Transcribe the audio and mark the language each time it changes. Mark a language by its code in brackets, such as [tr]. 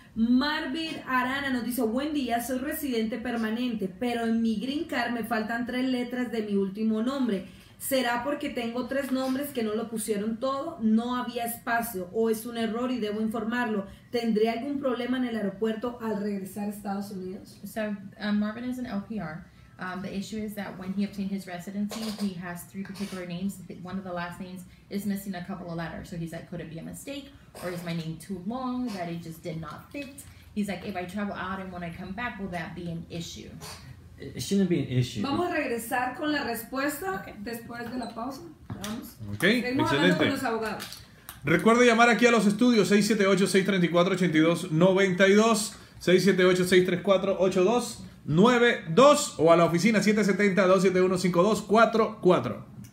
[es] Marvin Arana nos dice: buen día, soy residente permanente, pero en mi green card me faltan 3 letras de mi último nombre. ¿Será porque tengo 3 nombres que no lo pusieron todo? ¿No había espacio? ¿O es un error y debo informarlo? ¿Tendré algún problema en el aeropuerto al regresar a Estados Unidos? [en] Marvin is an LPR. The issue is that when he obtained his residency, he has 3 particular names. One of the last names is missing a couple of letters. So he's like, could it be a mistake? Or is my name too long that it just did not fit? He's like, if I travel out and when I come back, will that be an issue? It shouldn't be an issue. [es] Vamos a regresar con la respuesta después de la pausa. Vamos. [en] Okay, [es] seguimos excelente. Hablando con los abogados. Recuerde llamar aquí a los estudios 678-634-8292, 678-634-8292 o a la oficina 770-271-5244.